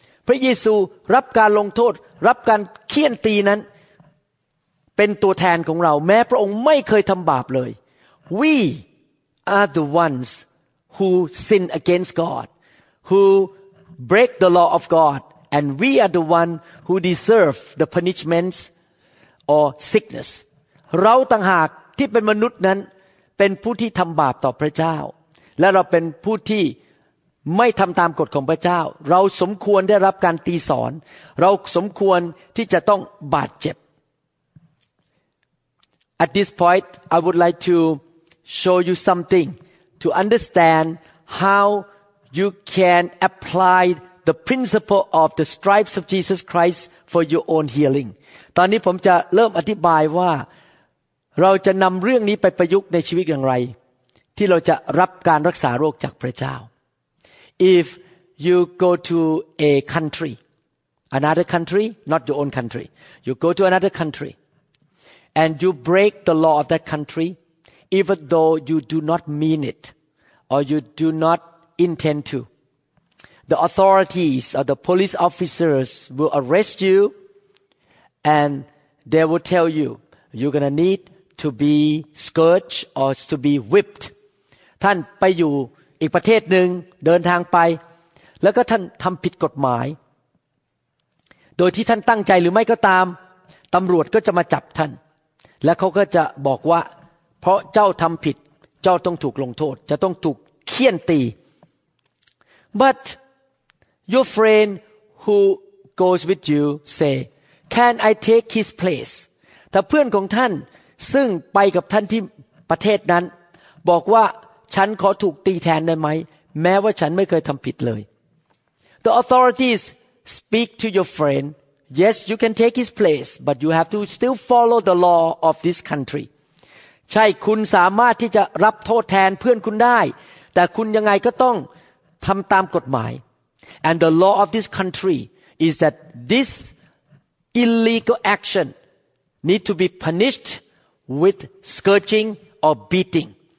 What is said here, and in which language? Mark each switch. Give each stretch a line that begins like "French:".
Thai: พระเยซูรับการลงโทษรับการเคี่ยนตีนั้นเป็นตัวแทนของเราแม้พระองค์ไม่เคยทำบาปเลย
English: We are the ones who sin against God, who break the law of God. And we are the one who deserve the punishments or sickness.
Thai: เราต่างหากที่เป็นมนุษย์นั้นเป็นผู้ที่ทำบาปต่อพระเจ้าและเราเป็นผู้ที่ไม่ทำตามกฎของพระเจ้าเราสมควรได้รับการตีสอนเราสมควรที่จะต้องบาดเจ็บ
English: At this point, I would like to show you something to understand how you can apply. The principle of the stripes of Jesus Christ for your own healing.
Thai: ตอนนี้ผมจะเริ่มอธิบายว่าเราจะนำเรื่องนี้ไปประยุกต์ในชีวิตอย่างไรที่เราจะรับการรักษาโรคจากพระเจ้า
English: If you go to a country, another country, not your own country, you go to another country, and you break the law of that country, even though you do not mean it, or you do not intend to. The authorities or the police officers will arrest you and they will tell you, you're going to need to be scourged or to be whipped.
Thai: ท่านไปอยู่อีกประเทศหนึ่งเดินทางไปแล้วก็ท่านทำผิดกฎหมายโดยที่ท่านตั้งใจหรือไม่ก็ตามตำรวจก็จะมาจับท่านและเขาก็จะบอกว่าเพราะเจ้าทำผิดเจ้าต้องถูกลงโทษจะต้องถูกเคี่ยนตี
English: ButYour friend who goes with you say, "Can I take his place?"
Thai: ถ้าเพื่อนของท่านซึ่งไปกับท่านที่ประเทศนั้นบอกว่าฉันขอถูกตีแทนได้ไหมแม้ว่าฉันไม่เคยทำผิดเลย
English: The authorities speak to your friend. Yes, you can take his place, but you have to still follow the law of this country.
Thai: ใช่คุณสามารถที่จะรับโทษแทนเพื่อนคุณได้แต่คุณยังไงก็ต้องทำตามกฎหมาย
English: And the law of this country is that this illegal action need to be punished with scourging or beating.